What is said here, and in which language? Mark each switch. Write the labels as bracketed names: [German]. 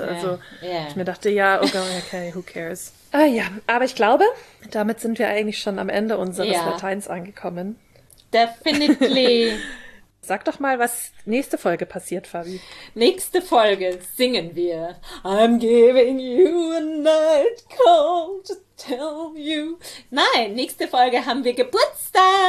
[German] also ja. Ich mir dachte, ja, okay, [English] who cares? [German] Ah ja, aber ich glaube, damit sind wir eigentlich schon am Ende unseres Lateins angekommen. [English] Definitely. [German] Sag doch mal, was nächste Folge passiert, Fabi. Nächste Folge singen wir. [English] I'm giving you a night call to tell you. [German] Nein, nächste Folge haben wir Geburtstag.